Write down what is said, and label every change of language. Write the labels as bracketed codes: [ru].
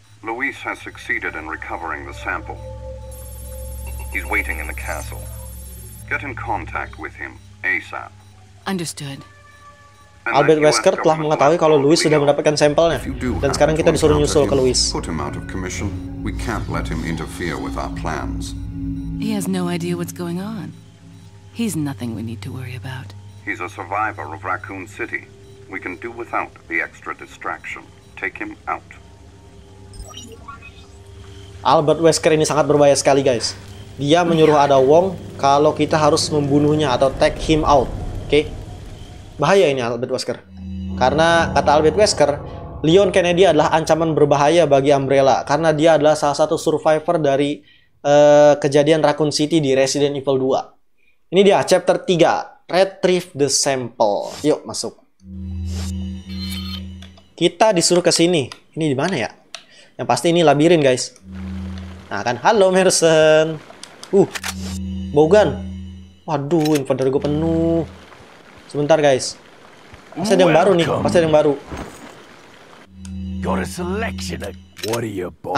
[en] Luis has succeeded in recovering the sample. He's waiting in the castle. Get in contact with him ASAP. Understood. [id] Albert Wesker telah mengetahui kalau Luis sudah mendapatkan sampelnya, dan sekarang kita disuruh nyusul ke Luis. [en] Put him out of commission. We can't let him interfere with our plans. He has no idea what's going on. He's nothing we need to worry about. He's a survivor of Raccoon City. We can do without the extra distraction. Take him out. [id] Albert Wesker ini sangat berbahaya sekali, guys. Dia menyuruh Ada Wong kalau kita harus membunuhnya atau [en] take him out. [id] Oke? Okay? Bahaya ini Albert Wesker. Karena kata Albert Wesker, Leon Kennedy adalah ancaman berbahaya bagi Umbrella karena dia adalah salah satu survivor dari kejadian Raccoon City di Resident Evil 2. Ini dia chapter 3, Retrieve the Sample. Yuk masuk. Kita disuruh ke sini. Ini di mana ya? Yang pasti ini labirin, guys. Nah, kan halo Merson. Bogan. Waduh, inventory gue penuh. Sebentar guys, pasti ada yang baru nih, pasti ada yang baru. [en] Got a selection of what are you buying?